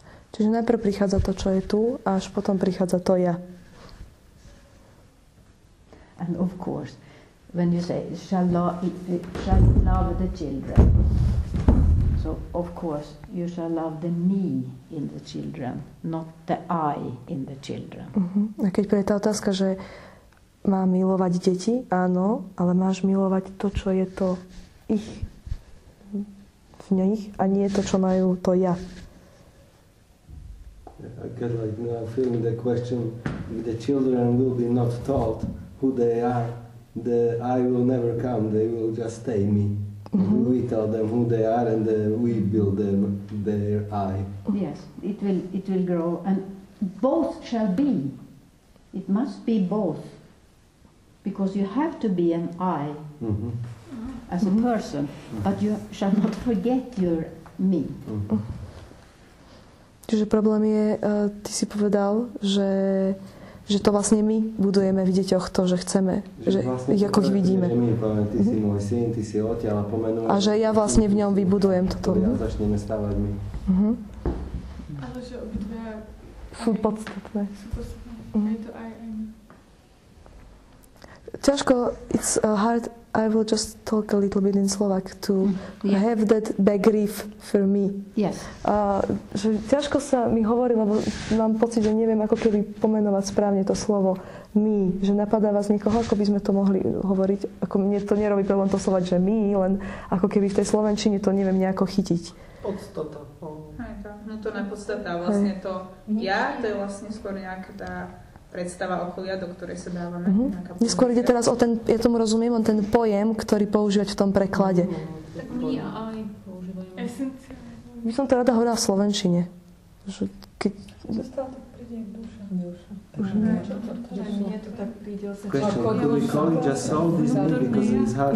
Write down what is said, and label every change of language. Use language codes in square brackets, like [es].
[sk] Čiže najprv prichádza to, čo je tu, a až potom prichádza to ja. [en] And of course, when you say shall love the children, so of course you shall love the me in the children, not the I in the children. A keď príde tá otázka, že mám milovať deti, áno, ale máš milovať to, čo je to ich v nich, a nie to, čo majú to ja. I get like now feeling the question, if the children will be not taught who they are, the I will never come, they will just stay me. Mm-hmm. We tell them who they are and we build them their I. Yes, it will grow and both shall be. It must be both. Because you have to be an I as a person, but you shall not forget your me. [sk] Mm-hmm. Čiže problém je, ty si povedal, že to vlastne my budujeme v deťoch to, že chceme, že vlastne ako ich vidíme. Že my povieme, ty si môj syn, ty si otia, ale pomenujem. A že ja vlastne v ňom vybudujem toto. A začneme stávať my. Ale že obidve sú podstatné. Sú podstatné. [en] Ťažko, it's hard, I will just talk a little bit in Slovak to have that begrief for me. Yes. [sk] Ťažko sa mi hovorí, lebo mám pocit, že neviem, ako keby pomenovať správne to slovo me. Že napadá vás niekoho, ako by sme to mohli hovoriť. Ako mne to nerobí problém to slovať, že me, len ako keby v tej slovenčine to neviem nejako chytiť. Podstata. No to nepodstata. Vlastne to ja, to je vlastne skôr nejaká tá predstava okolia, do ktorej sa dávame. Mm-hmm. Neskôr ide teraz o ten, ja tomu rozumiem, on ten pojem, ktorý používať v tom preklade. Tak my aj používajú. By som to rada hovorila v slovenčine. keď... To stále tak príde jak duša. Duša. Nie, čo to príde? Nie, to tak príde. [en] Question, could we call it just soul this movie, because it's hard?